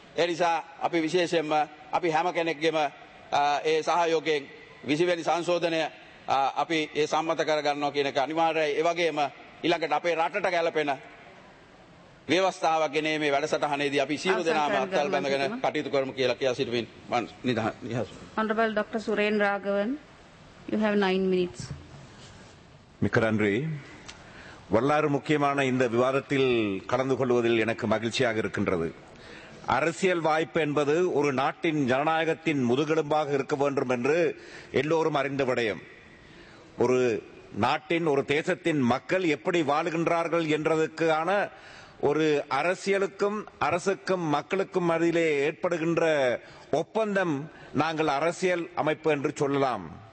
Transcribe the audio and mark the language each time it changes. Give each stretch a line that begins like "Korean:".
Sinhala: ඒ නිසා අපි විශේෂයෙන්ම අපි හැම කෙනෙක්ගේම ඒ සහයෝගයෙන් 20 වෙනි සංශෝධනය අපි ඒ සම්මත කරගන්නවා කියන එක අනිවාර්යයි. ඒ වගේම ඊළඟට අපේ රටට ගැලපෙන ව්‍යවස්ථාව ගෙනේ මේ වැඩසටහනේදී අපි සියලු දෙනාම අත්දැල් බඳගෙන කටයුතු කරමු කියලා කියා සිටමින් මම නිදහස්.
English: Honorable Dr. Suren Raghavan, you have 9 minutes.
Tamil: மிக்கரன்றி. வரலாறு முக்கியமான இந்த விவாதத்தில் கலந்து கொள்வதில் எனக்கு மகிழ்ச்சியாக இருக்கின்றது. அரசியல் வாய்ப்பு என்பது ஒரு நாட்டின் ஜனநாயகத்தின் முதுகெலும்பாக இருக்க வேண்டும் என்று எல்லோரும் அறிந்த விடயம். ஒரு நாட்டின் ஒரு தேசத்தின் மக்கள் எப்படி வாழ்கின்றார்கள் என்றதுக்கான ஒரு அரசியலுக்கும் அரசுக்கும் மக்களுக்கும் மத்தியிலே ஏற்படுகின்ற ஒப்பந்தம் நாங்கள் அரசியல் அமைப்பு என்று சொல்லலாம்.